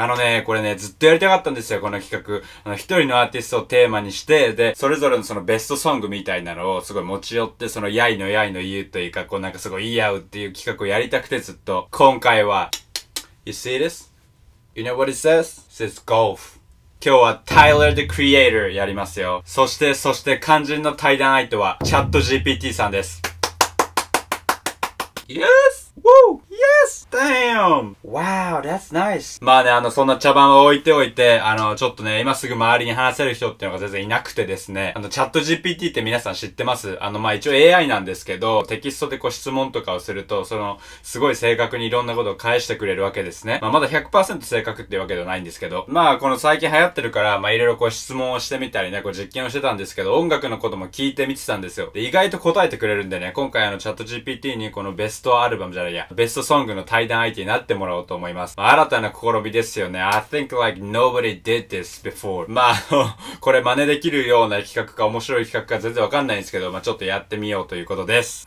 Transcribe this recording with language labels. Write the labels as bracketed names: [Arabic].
[Japanese] あのね、これね、ずっとやりたかったんですよ、この企画。あの、一人のアーティストをテーマにして、で、それぞれのそのベストソングみたいなのをすごい持ち寄って、そのやいのやいの言うというか、こうなんかすごい言い合うっていう企画をやりたくてずっと。 [English] 今回は、You see this? You know what it says? It says golf. [Japanese] 今日は Tyler the Creator やりますよ。そして肝心の対談相手は、ChatGPT さんです。 [English] Yes! Woo! Yes! Damn! Wow, that's nice! [Japanese] まあね、あの、そんな茶番を置いておいて、あの、ちょっとね、今すぐ周りに話せる人っていうのが全然いなくてですね、あの、チャット GPT って皆さん知ってます？あの、まあ一応 AI なんですけど、テキストでこう質問とかをすると、その、すごい正確にいろんなことを返してくれるわけですね。まあまだ 100% 正確っていうわけではないんですけど、まあこの最近流行ってるから、まあいろいろこう質問をしてみたりね、こう実験をしてたんですけど、音楽のことも聞いてみてたんですよ。で、意外と答えてくれるんでね、今回あの、チャット GPT にこのベストアルバムじゃないや、ベストソングの対談相手になってもらおうと思います。まあ、新たな試みですよね。 [English] I think like nobody did this before. [Japanese] まあ、これ真似できるような企画か面白い企画か全然わかんないんですけど、まあちょっとやってみようということです。